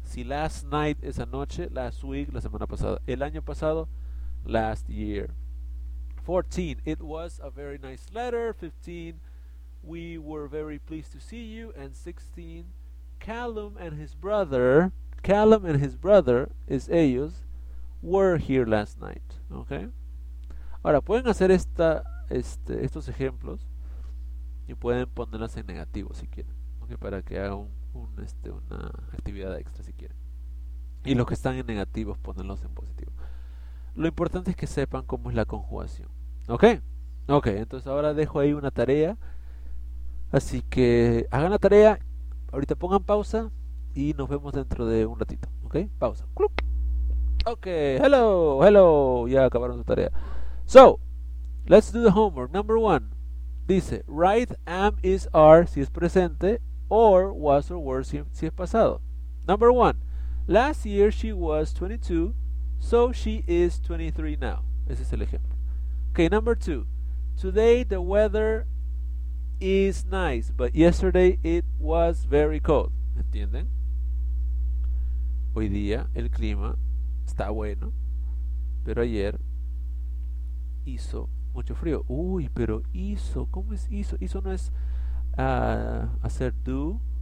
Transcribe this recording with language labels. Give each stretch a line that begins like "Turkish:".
Spanish: Si last night es anoche, last week, la semana pasada. El año pasado, last year.
English: 14, it was a very nice letter. 15, we were very pleased to see you. And 16, Callum and his brother, es ellos, were here last night. Okay.
Spanish: Ahora, pueden hacer estos ejemplos y pueden ponerlas en negativo si quieren, okay, para que haga una actividad extra si quieren. Y los que están en negativos, ponerlos en positivo. Lo importante es que sepan cómo es la conjugación. Ok, entonces ahora dejo ahí una tarea. Así que hagan la tarea, ahorita pongan pausa y nos vemos dentro de un ratito. Ok, pausa. ¡Cluc!
English: Ok, hello,
Spanish: ya acabaron su tarea.
English: So, let's do the homework. Number one, dice, write am, is, are,
Spanish: si es presente,
English: or was or were,
Spanish: si es pasado.
English: Number one, last year she was 22, so she is 23 now.
Spanish: Ese es el ejemplo.
English: Okay, number two, today the weather is nice, but yesterday it was very cold.
Spanish: ¿Entienden? Hoy día el clima está bueno, pero ayer hizo mucho frío. Uy, pero hizo, ¿cómo es hizo? Hizo no es hacer do.